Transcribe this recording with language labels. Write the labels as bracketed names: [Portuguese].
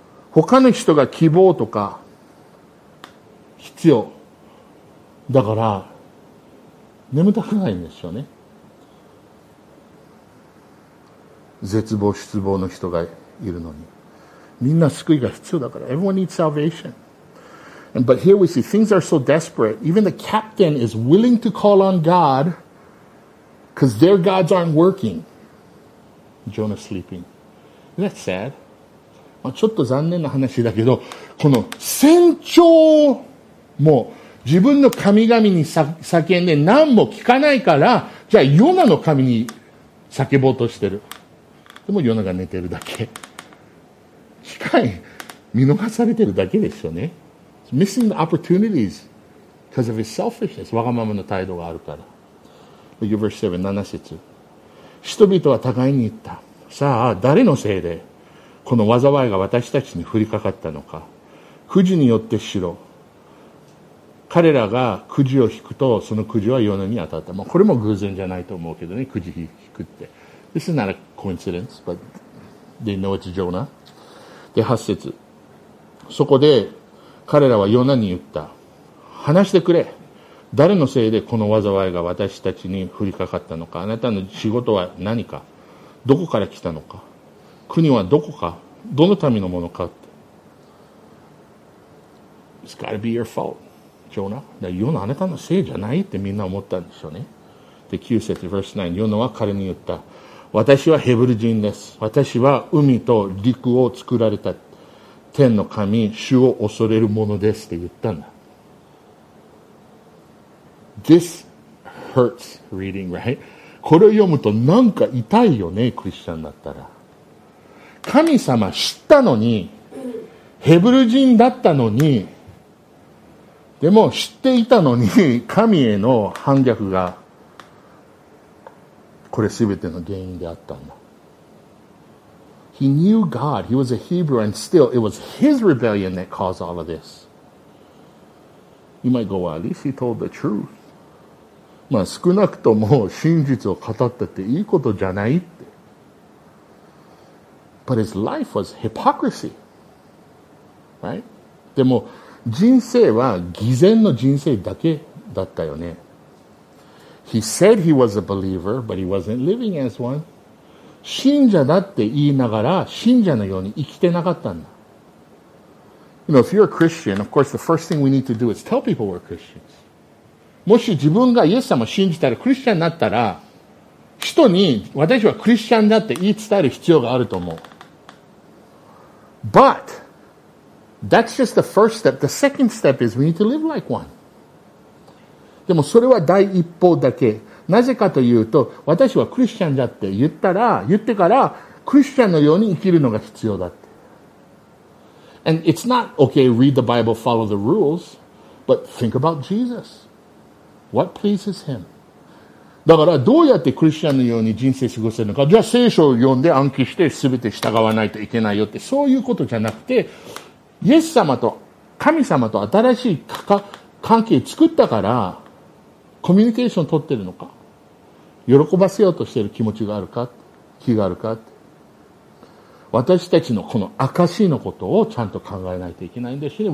[Japanese] 他の人が希望とか必要だから眠たくないんですよね。絶望失望の人がいるのに、みんな救いが必要だから。 [English] Everyone needs salvation. And, but here we see things are so desperate. Even the captain is willing to call on God because their gods aren't working. Jonah's sleeping. Isn't that sad? [Japanese] まあ、ちょっと残念な話だけど、この船長も自分の神々に叫んで何も聞かないから、じゃあヨナの神に叫ぼうとしてる。でもヨナが寝てるだけ。機会見逃されてるだけですよね。 [English] It's missing the opportunities because of his selfishness. [Japanese] わがままの態度があるから。 [English] Look at verse 7, [Japanese] 7節。人々は互いに言った。さあ誰のせいでこの災いが私たちに降りかかったのか。くじによってしろ。彼らがくじを引くと、そのくじはヨナに当たった。まあ、これも偶然じゃないと思うけどね、くじ引くって。 [English] This is not a coincidence, but they know it's Jonah. [Japanese] で、8節。そこで彼らはヨナに言った。話してくれ。誰のせいでこの災いが私たちに降りかかったのか。あなたの仕事は何か。どこから来たのか。国はどこか、どの民のものかって。 [English] It's gotta be your fault, Jonah. [Japanese] だから、ヨナ、あなたのせいじゃないってみんな思ったんでしょうね。で、9節、 [English] verse 9、 [Japanese] ヨナは彼に言った。私はヘブル人です。私は海と陸を作られた天の神、主を恐れるものですって言ったんだ。 [English] This hurts reading, right? [Japanese] これを読むとなんか痛いよね、クリスチャンだったら。神様知ったのに、ヘブル人だったのに、でも知っていたのに神への反逆がこれ全ての原因であったんだ。 [English] He knew God. He was a Hebrew, and still, it was his rebellion that caused all of this. You might go, well, at least he told the truth. [Japanese] まあ、少なくとも真実を語ったっていいことじゃないって。 [English] But his life was hypocrisy. Right? [Japanese] でも、人生は偽善の人生だけだったよね。 [English] He said he was a believer, but he wasn't living as one. [Japanese] 信者だって言いながら信者のように生きてなかったんだ。 [English] You know, if you're a Christian, of course, the first thing we need to do is tell people we're Christians. [Japanese] もし自分がイエス様を信じたらクリスチャンになったら、人に私はクリスチャンだって言い伝える必要があると思う。 [English] But, that's just the first step. The second step is we need to live like one. [Japanese] でもそれは第一歩だけ。なぜかというと、私はクリスチャンだって言ったら、言ってから、クリスチャンのように生きるのが必要だって。 [English] And it's not, okay, read the Bible, follow the rules, but think about Jesus. What pleases him? [Japanese] だから、どうやってクリスチャンのように人生過ごせるのか、じゃあ聖書を読んで暗記して全て従わないといけないよって、そういうことじゃなくて、イエス様と、神様と新しい関係作ったから、コミュニケーション取ってるのか、喜ばせようとしている気持ちがあるか、気があるか、私たちのこの証のことをちゃんと考えないといけないんですよね。